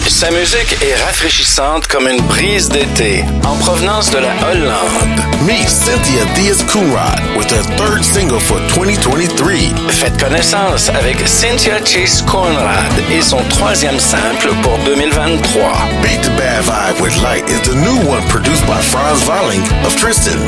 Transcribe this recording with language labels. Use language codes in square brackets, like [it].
[fr] Sa musique est rafraîchissante comme une brise d'été en provenance de la Hollande. [en] Meet Cynthia Diaz-Coonrod with her third single for 2023. [fr] Faites connaissance avec Cynthia Diaz-Coonrod et son troisième simple pour 2023. [en] Beat the Bad Vibe with Light is the new one produced by Franz Valling of Tristan.